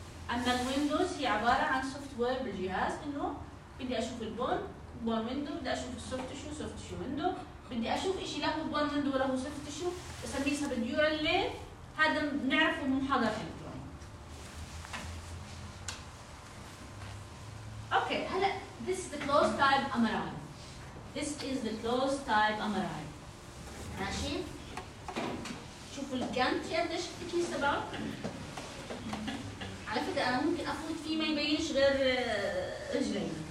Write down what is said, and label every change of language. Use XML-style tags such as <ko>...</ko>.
<ar>اما الويندوز هي عباره عن سوفت وير بالجهاز، انه بدي اشوف البون بون ويندو، بدي اشوف السوفت شو سوفت شو ويندو، بدي اشوف شيء له بون ويندو له سوفت شو بسميه سب ديورال لين. هذا بنعرفه من حضره الدرون.</ar> <en>Okay هلا this is the closed type MRI. This is the closed type MRI.</en> <ar>ماشي شوف الجانتي قديش الكيس تبعه. على فكره انا ممكن افوت فيه ما يبينش غير رجلي.</ar>